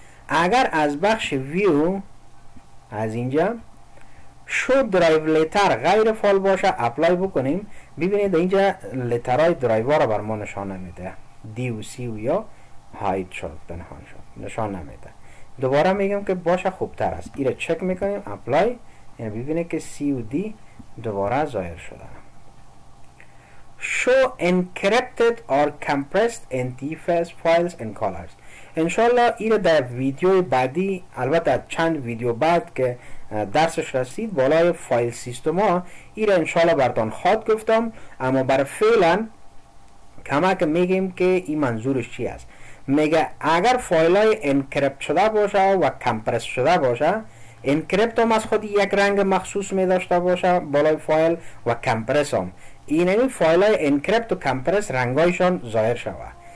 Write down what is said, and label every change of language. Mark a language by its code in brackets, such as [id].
[fa] اگر از بخش ویو از اینجا شو درایو لیتر غیر فعال باشه اپلای بکنیم، ببینید اینجا لیترای درایو را بر ما نشان نمیده، دی و سی و یا هاید شد، پنهان شد، نشان نمیده. دوباره میگم که باشه خوبتر است، این را چک میکنیم اپلای، یعنی ببینید که سی و دی دوباره ظاهر شده. [en] Show encrypted or compressed NTFS files and colors. [fa] انشالله ایره در ویدیو بعدی، البته چند ویدیو بعد که درسش رسید بالای فایل سیستم ها، ایره انشالله برتان خواد گفتم، اما بر فعلا کمک میگیم که این منظورش چی است. میگه اگر فایل های انکرپت شده باشه و کمپرس شده باشه، انکرپت هم از خودی یک رنگ مخصوص میداشته باشه بالای فایل و کمپرس هم، این یعنی فایل های انکرپت و کمپرس رنگایشان ظاهر شوه.